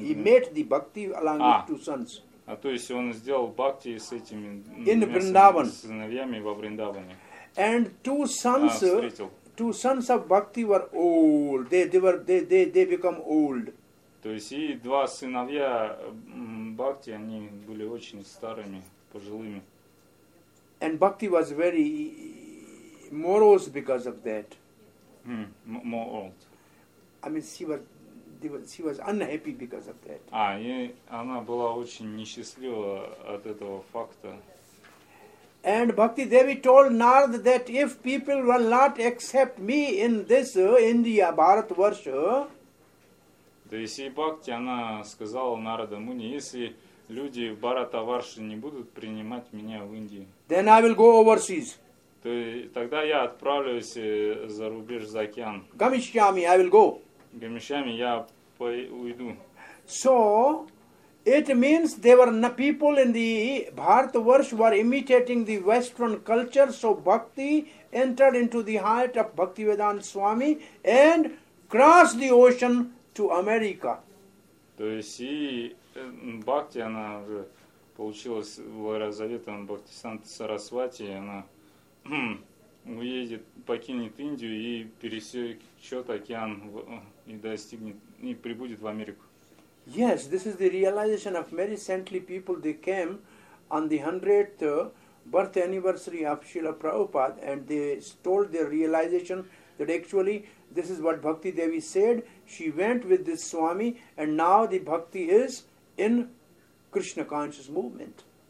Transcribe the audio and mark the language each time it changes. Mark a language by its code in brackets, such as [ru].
[en] He met the bhakti along with two sons. [ru] А то есть он сделал бхакти с этими сыновьями во Вриндаване. [en] And two sons of bhakti were old. They become old. [ru] То есть и два сыновья бхакти, они были очень старыми, пожилыми. [en] And bhakti was very... morose because of that. More old. I mean, she was unhappy because of that. [ru] Она была очень несчастлива от этого факта. [en] And Bhakti Devi told Narada that if people will not accept me in this India, Bharat Varsha. [ru] То есть и Бхакти, она сказала Нарада Муни, если люди в Бхарата Варше не будут принимать меня в Индии. [en] Then I will go overseas. [ru] То есть тогда я отправлюсь за рубеж, за океан. [en] Гамишьями, I will go. [ru] Гамишьями, я уйду. [en] So, it means there were people in the Bharatvarsh were imitating the Western culture, so Bhakti entered into the heart of Bhaktivedanta Swami and crossed the ocean to America. [ru] То есть и Бхакти, она уже получилась благодаря заветам Бхактисиддханты Сарасвати, она уедет, покинет Индию и пересечет океан и достигнет, и прибудет в Америку. [en] Yes, this is the realization of many saintly people. They came on the 100th birth anniversary of Srila Prabhupada and they told their realization that actually this is what Bhakti Devi said. She went with this Swami and now the Bhakti is in Krishna conscious movement.